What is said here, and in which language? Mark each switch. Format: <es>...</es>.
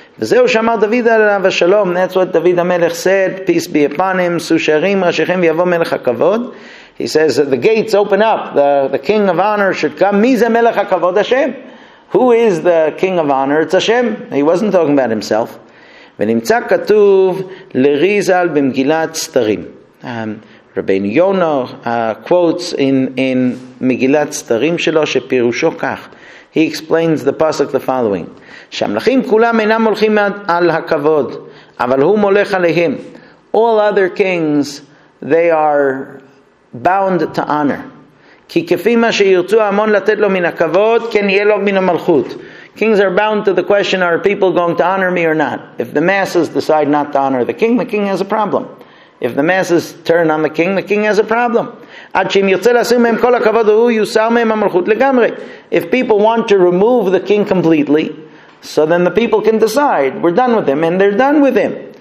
<he>V'zeu shamar David alav shalom.</he> <en>That's what David HaMelech said. Peace be upon him.</en> <he>Susharim rashichem v'yavo melech hakavod.</he> <en>He says the gates open up. The king of honor should come.</en> <he>Mize melech hakavod Hashem.</he> <en>Who is the king of honor? It's Hashem. He wasn't talking about himself.</en> <he>ונמצא כתוב לריזל במגילת סתרים. רבינו יונה quotes in מגילת סתרים שלו שפירושו כך.</he> <en>He explains the pasuk the following.</en> <he>שהמלכים כולם אינם הולכים על הכבוד, אבל הוא מולך עליהם.</he> <en>All other kings, they are bound to honor.</en> <he>כי כפי מה שירצו המון לתת לו מן הכבוד, כן יהיה לו מן המלכות.</he> <en>Kings are bound to the question, are people going to honor me or not? If the masses decide not to honor the king has a problem. If the masses turn on the king has a problem.</en> <he>עד שאם ירצה לשים מהם כל הכבוד הוא יוסר מהם המלכות לגמרי.</he> <en>If people want to remove the king completely, so then the people can decide, we're done with him, and they're done with him.</en>